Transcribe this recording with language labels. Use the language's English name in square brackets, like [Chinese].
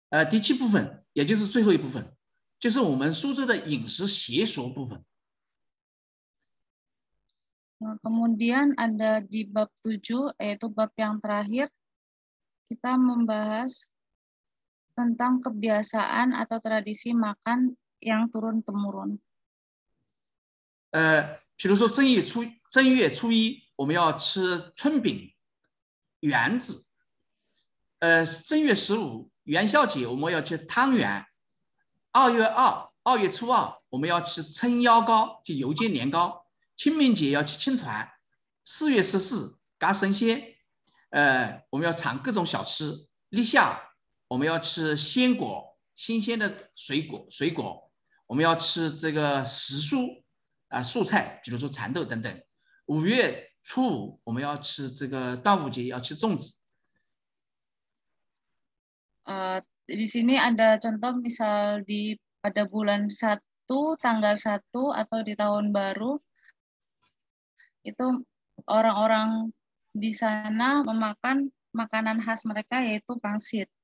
[Chinese] 第七部分，也就是最后一部分，就是我们苏州的饮食习俗部分。 [Indonesian] Kemudian ada di bab 7, yaitu bab yang terakhir, kita membahas tentang kebiasaan atau tradisi makan yang turun-temurun. [Chinese] 比如说正月初一我们要吃春饼圆子，正月十五元宵节我们要吃汤圆，二月初二我们要吃蒸腰糕，就油煎年糕，清明节要吃青团，四月十四嘎神仙，我们要尝各种小吃，立夏我们要吃鲜果，新鲜的水果，我们要吃这个时蔬素菜，比如说蚕豆等等。五月初五，我们要吃这个端午节要吃粽子。 [Indonesian] Di sini ada contoh misal di pada bulan satu tanggal satu atau di tahun baru itu orang-orang di sana memakan makanan khas mereka yaitu pangsit.